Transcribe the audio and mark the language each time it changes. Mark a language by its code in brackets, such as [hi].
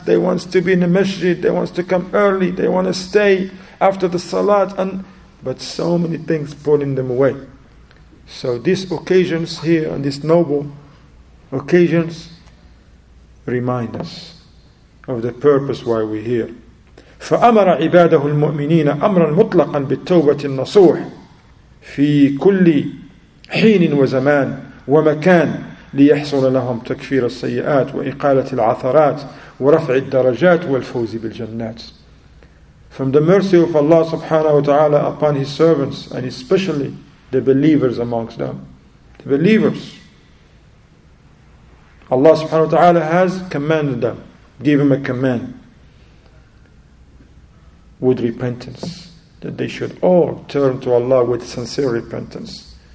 [en] They want to be in the masjid. They want to come early. They want to stay after the salat. But so many things pulling them away. So these occasions here and these noble occasions remind us of the purpose why we're here. [ar] فأمر عباده المؤمنين أمرا مطلقا بالتوبة النصوح في كل حين وزمان ومكان، ليحصل لهم تكفير السيئات وإقالة العثرات ورفع الدرجات والفوز بالجنات. [en] From the mercy of Allah subhanahu wa ta'ala upon His servants and especially the believers amongst them. The believers. Allah subhanahu wa ta'ala has commanded them, gave them a command with repentance, that they should all turn to Allah with sincere repentance.